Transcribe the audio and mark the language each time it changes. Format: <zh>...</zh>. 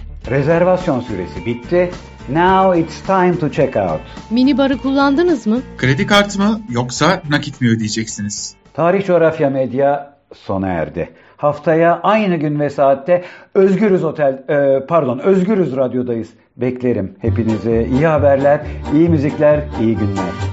<tr>Rezervasyon süresi bitti.</tr> <en>Now it's time to check out.</en> <tr>Minibarı kullandınız mı? Kredi kartı mı yoksa nakit mi ödeyeceksiniz? Tarih Coğrafya Medya sona erdi. Haftaya aynı gün ve saatte Özgürüz Otel, Özgürüz Radyo'dayız. Beklerim hepinize iyi haberler, iyi müzikler, iyi günler.</tr>